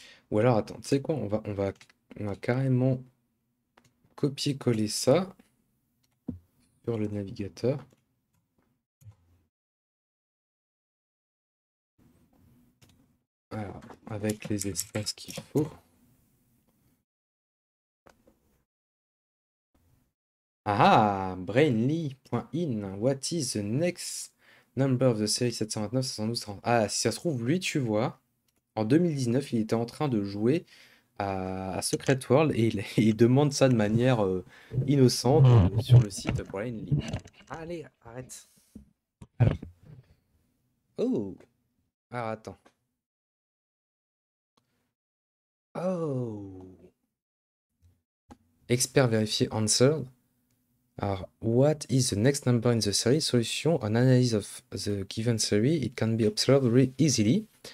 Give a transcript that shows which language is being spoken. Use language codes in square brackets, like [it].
[fr] Ou alors, attends, tu sais quoi, on va carrément copier-coller ça sur le navigateur. Alors, avec les espaces qu'il faut. [en] Ah, brainly.in, what is the next number of the series 729, 712, 30? [fr] Ah, si ça se trouve, lui, tu vois. En 2019, il était en train de jouer à Secret World et il demande ça de manière innocente sur le site Brainly. Allez, arrête. Alors. Oh. Alors, attends. Oh. Expert vérifié answered. [en] Alors, what is the next number in the series? Solution: an analysis of the given series. It can be observed easily.